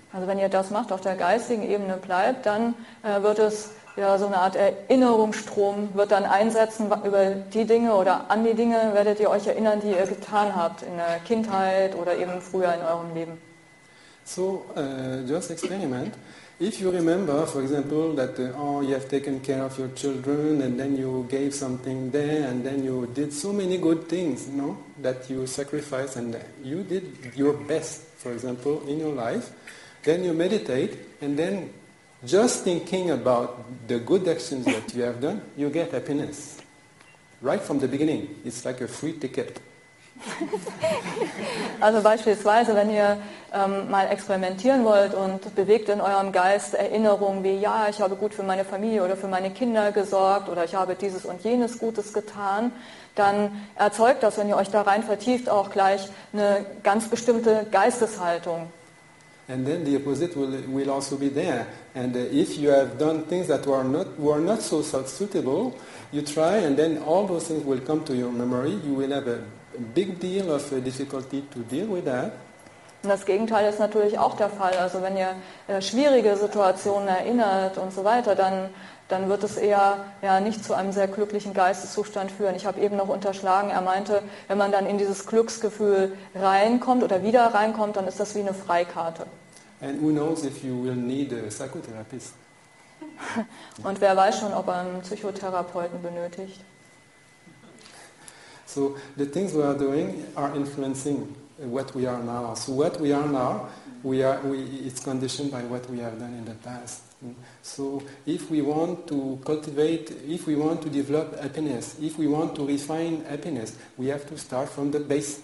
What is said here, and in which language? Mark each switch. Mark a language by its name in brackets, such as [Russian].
[German] Also wenn ihr das macht, auf der geistigen Ebene bleibt, dann wird es ja so eine Art Erinnerungsstrom wird dann einsetzen über die Dinge oder an die Dinge werdet ihr euch erinnern, die ihr getan habt in der Kindheit oder eben früher in eurem Leben. [English] So, just experiment. If you remember, for example, that you have taken care of your children and then you gave something there and then you did so many good things, you know, that you sacrificed and you did your best, for example, in your life, then you meditate and then just thinking about the good actions that you have done, you get happiness. Right from the beginning. It's like a free ticket. [German] Also beispielsweise, wenn ihr mal experimentieren wollt und bewegt in eurem Geist Erinnerungen wie, ja, ich habe gut für meine Familie oder für meine Kinder gesorgt oder ich habe dieses und jenes Gutes getan, dann erzeugt das, wenn ihr euch da rein vertieft, auch gleich eine ganz bestimmte Geisteshaltung. [English] And then the opposite will also be there. And if you have done things that were not so suitable, you try and then all those things will come to your memory. You will have a big deal of difficulty to deal with that. [German] Und das Gegenteil ist natürlich auch der Fall. Also wenn ihr schwierige Situationen erinnert und so weiter, dann wird es eher ja nicht zu einem sehr glücklichen Geisteszustand führen. Ich habe eben noch unterschlagen, er meinte, wenn man dann in dieses Glücksgefühl reinkommt oder wieder reinkommt, dann ist das wie eine Freikarte. [English] And who knows if you will need a psychotherapist. [German] Und wer weiß schon, ob er einen Psychotherapeuten benötigt. [English] So, the things we are doing are influencing what we are now. So what we are now, it's conditioned by what we have done in the past. So if we want to cultivate, if we want to develop happiness, if we want to refine happiness, we have to start from the base.